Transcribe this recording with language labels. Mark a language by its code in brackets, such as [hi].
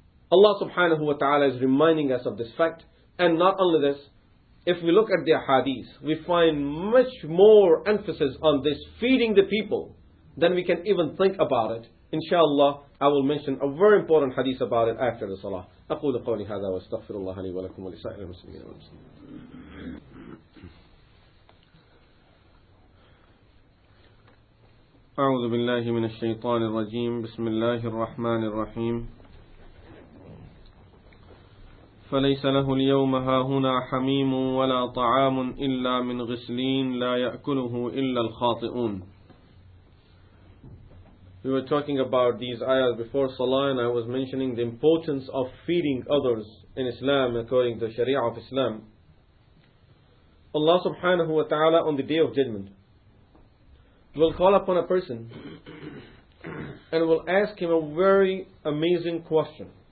[en] Allah subhanahu wa ta'ala is reminding us of this fact. And not only this, if we look at the hadith, we find much more emphasis on this feeding the people than we can even think about it. Inshallah, I will mention a very important hadith about it after the salah. [ar] أقول قولي هذا واستغفر الله لي ولكم ولسائر المسلمين والمسلمات. أعوذ بالله من الشيطان الرجيم. بسم الله الرحمن الرحيم. فليس له اليوم هاهنا حميم ولا طعام إلا من غسلين لا يأكله إلا الخاطئون. [en] We were talking about these ayahs before Salah and I was mentioning the importance of feeding others in Islam according to the Sharia of Islam. Allah subhanahu wa ta'ala on the Day of Judgment will call upon a person and will ask him a very amazing question.